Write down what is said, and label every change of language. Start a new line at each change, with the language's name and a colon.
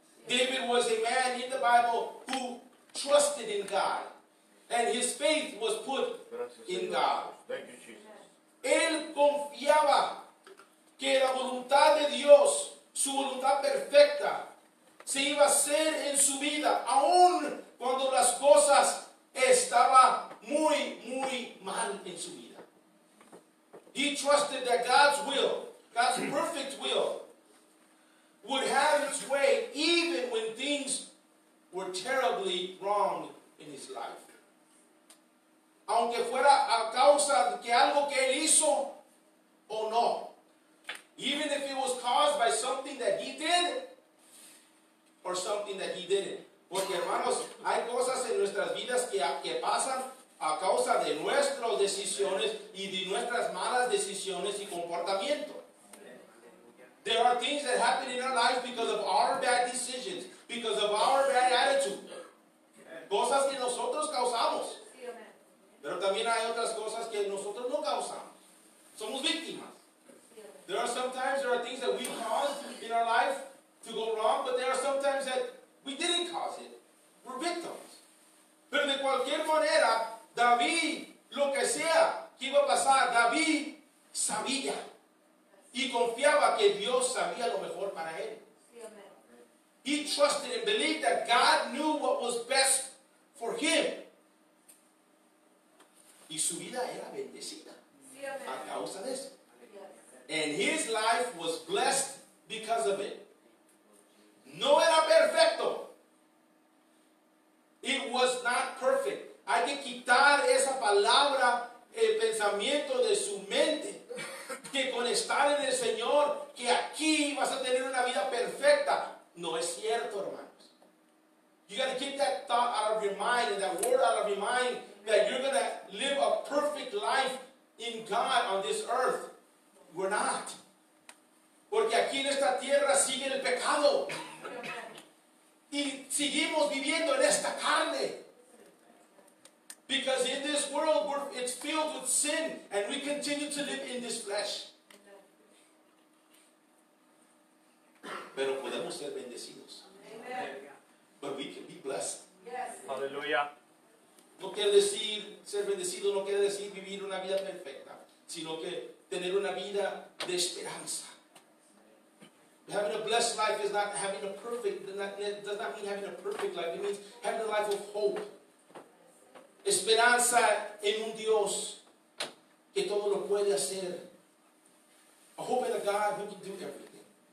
English: David was a man in the Bible who trusted in God. And his faith was put in God. Thank you, Jesus.
Spanish: Él confiaba que la voluntad de Dios, su voluntad perfecta, se iba a hacer en su vida, aun cuando las cosas estaban muy, muy mal en su vida.
English: He trusted that God's will, God's perfect will, would have its way even when things were terribly wrong in his life.
Spanish: Aunque fuera a causa de que algo que él hizo o no.
English: Even if it was caused by something that he did or something that he didn't.
Spanish: Porque hermanos, hay cosas en nuestras vidas que pasan a causa de nuestras decisiones y de nuestras malas decisiones y comportamiento.
English: There are things that happen in our lives because of our bad decisions, because of our bad attitude.
Spanish: Cosas que nosotros causamos. Pero también hay otras cosas que nosotros no causamos. Somos víctimas.
English: There are sometimes there are things that we caused in our life to go wrong, but there are sometimes that we didn't cause it. We're victims.
Spanish: Pero de cualquier manera, David, lo que sea que iba a pasar, David sabía y confiaba que Dios sabía lo mejor para él.
English: He trusted and believed that God knew what was best for him.
Spanish: Y su vida era bendecida a causa de eso.
English: And his life was blessed because of it.
Spanish: No era perfecto.
English: It was not perfect.
Spanish: Hay que quitar esa palabra, el pensamiento de su mente. Que con estar en el Señor, que aquí vas a tener una vida perfecta. No es cierto, hermanos.
English: You got to keep that thought out of your mind, and that word out of your mind, that you're going to live a perfect life in God on this earth. We're not.
Spanish: Porque aquí en esta tierra sigue el pecado. Y seguimos viviendo en esta carne.
English: Because in this world, it's filled with sin, and we continue to live in this flesh.
Spanish: Pero podemos ser bendecidos.
English: Amen. But we can be blessed. Yes. Hallelujah.
Spanish: No quiere decir ser bendecido, no quiere decir vivir una vida perfecta, sino que tener una vida de esperanza.
English: Having a blessed life is not having a perfect, does not mean having a perfect life. It means having a life of hope.
Spanish: Esperanza en un Dios que todo lo puede hacer.
English: A hope in a God who can do everything.